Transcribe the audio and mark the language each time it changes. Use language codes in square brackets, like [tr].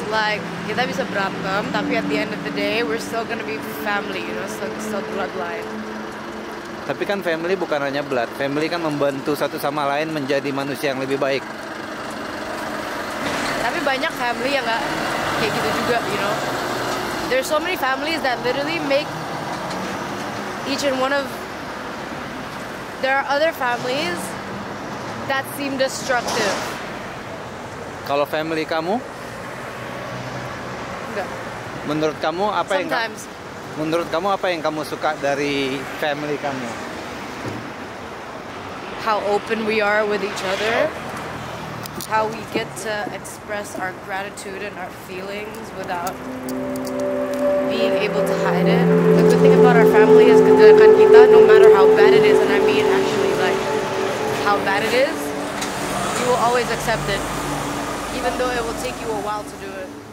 [en] Like, [id] kita bisa berantem, tapi [en] at the end of the day, we're still gonna be family, you know, still bloodline. [id] Tapi kan family bukan hanya blood. Family kan membantu satu sama lain menjadi manusia yang lebih baik. Tapi banyak family yang gak kayak gitu juga, [en] you know. there's so many families that literally make each and one of, there are other families that seem destructive. [id] Kalau family kamu? Enggak. Menurut kamu apa yang [en] sometimes. [id] Menurut kamu apa yang kamu suka dari family kamu? [en] How open we are with each other. How we get to express our gratitude and our feelings without being able to hide it. The good thing about our family is [id] kedekatan kita, [en] no matter how bad it is, and I mean actually like how bad it is, you will always accept it, even though it will take you a while to do it.